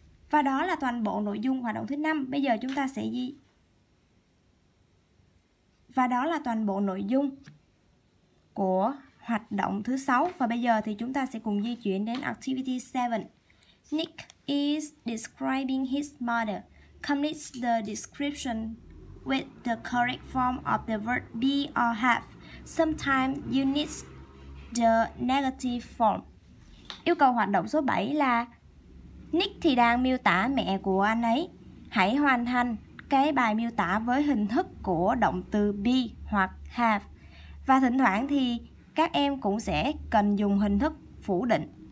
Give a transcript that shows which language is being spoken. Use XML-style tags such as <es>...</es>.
<vi>Và đó là toàn bộ nội dung hoạt động thứ 5. Bây giờ chúng ta sẽ ghi. Và đó là toàn bộ nội dung của hoạt động thứ 6. Và bây giờ thì chúng ta sẽ cùng di chuyển đến activity 7.</vi> <en>Nick is describing his mother. Complete the description with the correct form of the verb be or have. Sometimes you need the negative form.</en> <vi>Yêu cầu hoạt động số 7 là Nick thì đang miêu tả mẹ của anh ấy. Hãy hoàn thành cái bài miêu tả với hình thức của động từ be hoặc have. Và thỉnh thoảng thì các em cũng sẽ cần dùng hình thức phủ định.</vi>